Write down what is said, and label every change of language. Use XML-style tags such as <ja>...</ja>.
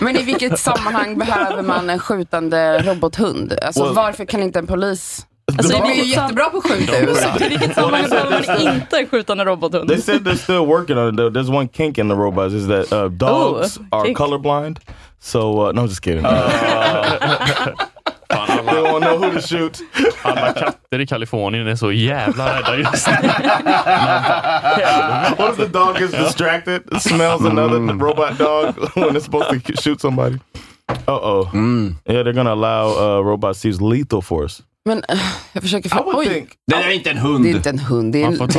<sv>Men i vilket sammanhang behöver man en skjutande robothund? Alltså, well, varför kan inte en polis... Alltså, det blir ju jättebra på att skjuta ut. I vilket sammanhang behöver man inte en skjutande robothund?</sv> <en>They said they're still working on it. There's one kink in the robots, is that dogs are colorblind. So, no, I'm just kidding. They won't know who to shoot.</en> <sv>Alla katter i Kalifornien är så jävla rädda just nu.</sv> <en>What if the dog is distracted? It smells another robot dog when it's supposed to shoot somebody. Uh-oh. Mm. Yeah, they're gonna allow robots to use lethal force.</en> <sv>Men jag försöker få... Oj! Think, det är inte en hund. Det är inte en hund. Det är</sv>